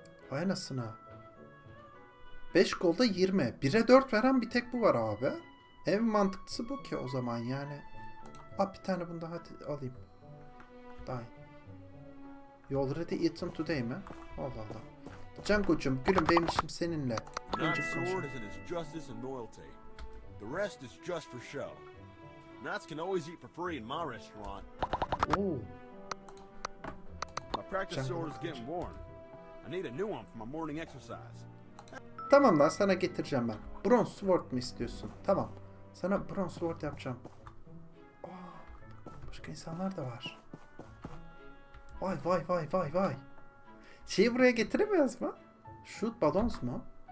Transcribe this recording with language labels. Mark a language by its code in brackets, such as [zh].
[tr] Aynasına. 5 golda 20. 1'e 4 veren bir tek bu var abi. En mantıklısı bu ki o zaman yani. Ah bir tane bunu daha alayım. Dayı. [en] You already eaten today [tr] mi? Allah Allah. Django'cum gülüm benim işim seninle. [en] Knight's sword is in its justice and loyalty. The rest is just for show. Knights can always eat for free in my restaurant. Ooh. My practice Django sword is getting worn. I need a new one for my morning exercise. [tr] Tamam lan sana getireceğim ben. Bronze sword mi istiyorsun? Tamam. Sana bronze sword yapacağım. Oh, başka insanlar da var. Vay vay vay vay vay. Şeyi buraya getiremez mi? Shoot balons mu?